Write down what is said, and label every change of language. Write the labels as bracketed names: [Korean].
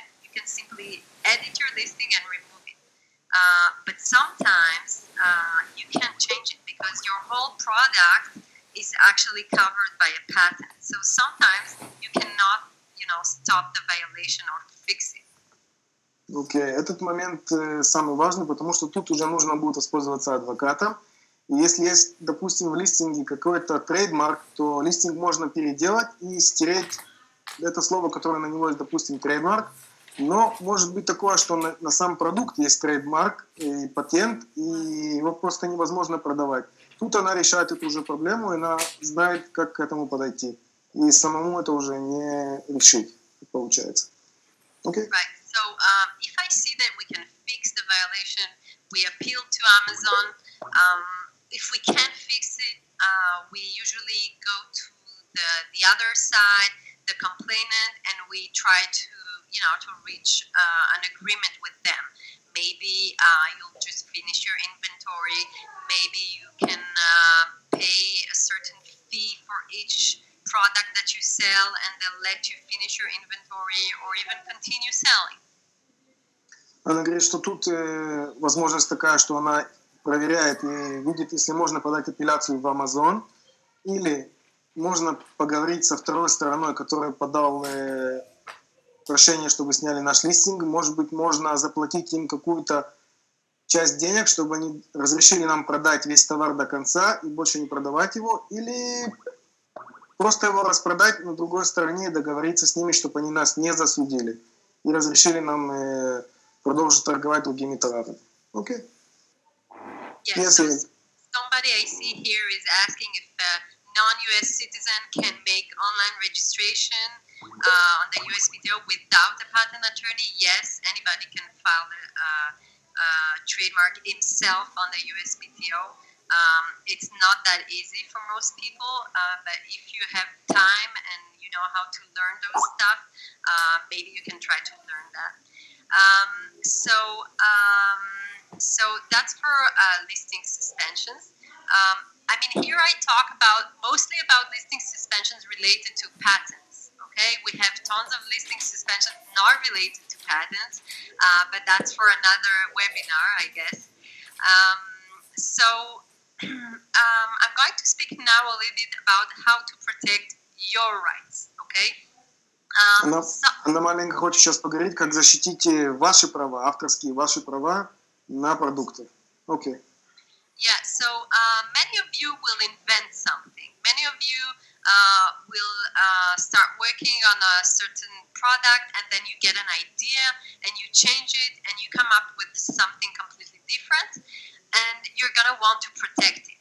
[English] You can simply edit your listing and remove it. But sometimes you can't change it because your whole product is actually covered by a patent. So sometimes you cannot, you know, stop the violation or fix it. [Russian] Okay, этот момент самый важный, потому что тут уже нужно будет воспользоваться адвокатом. Если есть, допустим, в листинге какой-то трейдмарк, то листинг можно переделать и стереть это слово, которое на него есть, допустим, трейдмарк. Но может быть такое, что на сам продукт есть трейдмарк и патент, и его просто невозможно продавать. Тут она решает эту же проблему, и она знает, как к этому подойти. И самому это уже не решить, получается. [English] Okay? Right. So, if I see that we can fix the violation, we appeal to Amazon. If we can't fix it, we usually go to the other side, the complainant, and we try to, you know, to reach an agreement with them. Maybe you'll just finish your inventory. Maybe you can pay a certain fee for each product that you sell, and they'll let you finish your inventory or even continue selling. [Russian] Она говорит, что тут возможность такая, что она проверяет и видит, если можно подать апелляцию в Amazon, или можно поговорить со второй стороной, которая подала прошение, чтобы сняли наш листинг. Может быть, можно заплатить им какую-то часть денег, чтобы они разрешили нам продать весь товар до конца и больше не продавать его, или просто его распродать на другой стороне и договориться с ними, чтобы они нас не засудили и разрешили нам продолжить торговать другими товарами. Окей. Okay. [English] Yes, so somebody I see here is asking if a non-US citizen can make online registration on the USPTO without a patent attorney. Yes, anybody can file a trademark himself on the USPTO. It's not that easy for most people, but if you have time and you know how to learn those stuff, maybe you can try to learn that. So that's for listing suspensions. I mean, here I talk about mostly about listing suspensions related to patents. Okay, we have tons of listing suspensions not related to patents, but that's for another webinar, I guess. So I'm going to speak now a little bit about how to protect your rights. Okay. [Russian] Она маленько хочет сейчас поговорить, как защитить ваши права, авторские ваши права. На продукты. Okay. [English] Yeah, so many of you will invent something. Many of you will start working on a certain product, and then you get an idea, and you change it, and you come up with something completely different, and you're gonna want to protect it.